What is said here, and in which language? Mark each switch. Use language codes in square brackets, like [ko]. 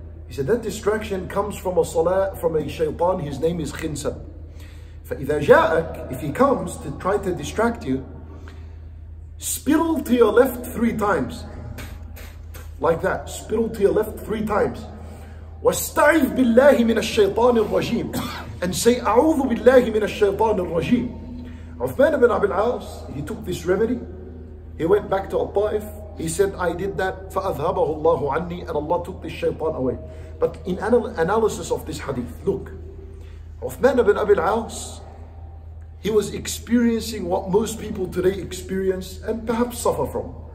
[en] He said, that distraction comes from a salat, from a shaytan, his name is Khinsab. [ar] فَإِذَا جَاءَكْ, [en] if he comes to try to distract you, spittle to your left three times. Like that, spittle to your left three times. [ar] وَاسْتَعِذْ بِاللَّهِ مِنَ الشَّيْطَانِ الرَّجِيمِ. [en] And say, [ar] أَعُوذُ بِاللَّهِ مِنَ الشَّيْطَانِ الرَّجِيمِ. [en] Uthman ibn Abi al-Aas, he took this remedy. He went back to Al-Ta'if. He said, I did that, [ar] فَأَذْهَبَهُ اللَّهُ عَنِّي, [en] and Allah took this shaytan away. But in analysis of this hadith, look, Uthman ibn Abi al-Aas, he was experiencing what most people today experience and perhaps suffer from.